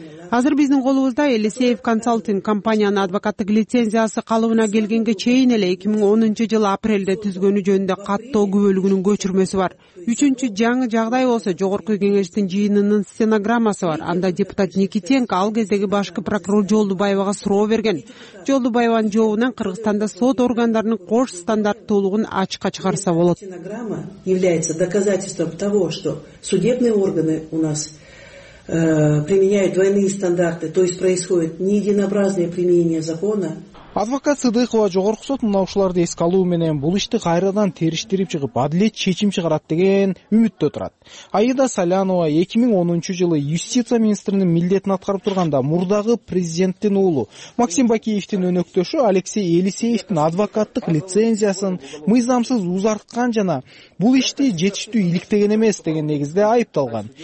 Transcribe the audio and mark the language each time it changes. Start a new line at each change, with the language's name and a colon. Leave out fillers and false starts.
Kyrgyz: Азыр биздин колубузда Элисеев консалтинг компаниянын адвокаттык лицензиясы калыбына келгенге чейин эле 2010 жылы апрелде түзгөнү жөнүндө каттоо күбөлүгүнүн көчүрмөсү бар. Үчүнчү жаңы жагдай болсо жогорку кеңештин жыйынынын стенограммасы бар. Анда депутат Никитенко ал кездеги башкы прокурор Жолдубаевага суроо берген. Жолдубаеванын жообунан Кыргызстанда сот органдарынын кош стандарттуулугун ачыкка чыгарса болот.
Russian: Стенограмма является доказательством того, что судебные органы у нас применяют двойные стандарты, то есть происходит не единообразное применение закона.
Kyrgyz: Адвокат Сыдыкова жогорку сот мына ушуларды эске алуу менен бул ишти кайрадан териштирип чыгып адилет чечим чыгарат деген үмүттө турат. Аида Салянова 2010 жылы юстиция министринин милдетин аткарып турганда мурдагы президенттин уулу Максим Бакиевдин өнөктөшү Алексей Елисеевдин адвокаттык лицензиясын мыйзамсыз узарткан жана бул ишти жетиштүү иликтеген эмес деген негизде айыпталган.